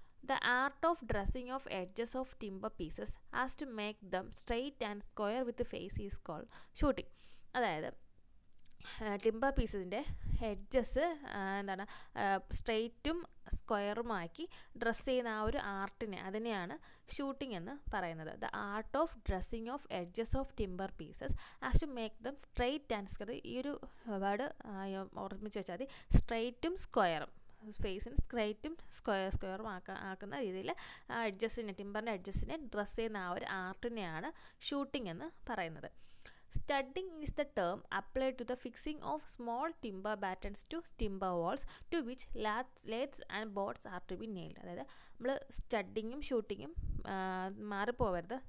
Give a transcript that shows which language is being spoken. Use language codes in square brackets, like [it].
[en] The art of dressing of edges of timber pieces as to make them straight and square with the face is called shooting. [ml] അതായത് timber പീസസിൻ്റെ hedges എന്താണ് സ്ട്രെയ്റ്റും സ്ക്വയറുമാക്കി dress ചെയ്യുന്ന ആ ഒരു ആർട്ടിനെ അതിനെയാണ് shooting എന്ന് പറയുന്നത്. [en] The art of dressing of edges of timber pieces as to make them straight and square. [ml] ഈ ഒരു വേർഡ് ഓർമ്മിച്ച് വെച്ചാൽ മതി, സ്ട്രെയ്റ്റും സ്ക്വയറും ഫേസിന് സ്ക്രൈറ്റും സ്ക്വയർ സ്ക്വയറും ആക്കുന്ന രീതിയിൽ ആ എഡ്ജസ്സിനെ ടിമ്പറിൻ്റെ എഡ്ജസ്സിനെ ഡ്രസ്സ് ചെയ്യുന്ന ആ ഒരു ആർട്ടിനെയാണ് ഷൂട്ടിംഗ് എന്ന് പറയുന്നത്. [en] Studding is the term applied to the fixing of small timber battens to timber walls to which lathes and boards are to be nailed. [ml] അതായത് നമ്മൾ സ്റ്റഡിങ്ങും ഷൂട്ടിങ്ങും മാറിപ്പോകരുത്.